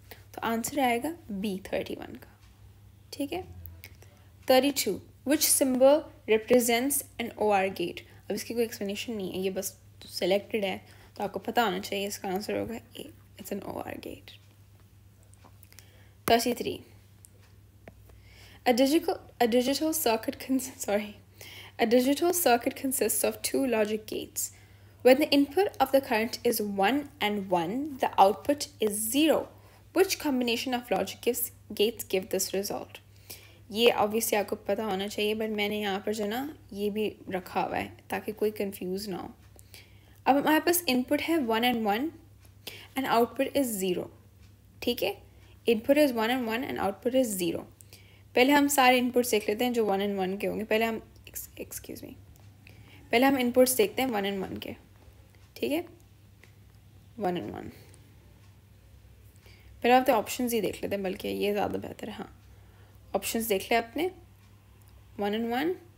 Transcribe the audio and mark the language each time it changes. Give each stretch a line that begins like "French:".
Hindi: तो आंसर आएगा B 31 का. ठीक है 32
English: Which symbol represents an OR gate.
Hindi: अब इसकी कोई एक्सप्लेनेशन नहीं है, ये बस सिलेक्टेड है तो आपको पता होना चाहिए इसका आंसर होगा A.
English: It's an OR gate. 33 A digital circuit consists of two logic gates. When the input of the current is 1 and 1, the output is 0. Which combination of logic gates give this result?
Hindi: ये obviously आपको पता होना चाहिए, but मैंने यहाँ पर जो ना ये भी रखा हुआ है ताकि कोई confused ना हो. अब हमारे पास input है
English: 1 and 1 and output is 0. ठीक है input is 1 and 1 and output is 0.
Hindi: पहले हम सारे इनपुट्स देख लेते हैं जो वन एंड वन के होंगे. पहले हम एक्सक्यूज मी पहले हम इनपुट्स देखते हैं वन एंड वन के. ठीक है वन एंड वन पहले आप तो ऑप्शंस ही देख लेते हैं, बल्कि ये ज़्यादा बेहतर है. हाँ ऑप्शंस देख ले अपने वन एंड वन.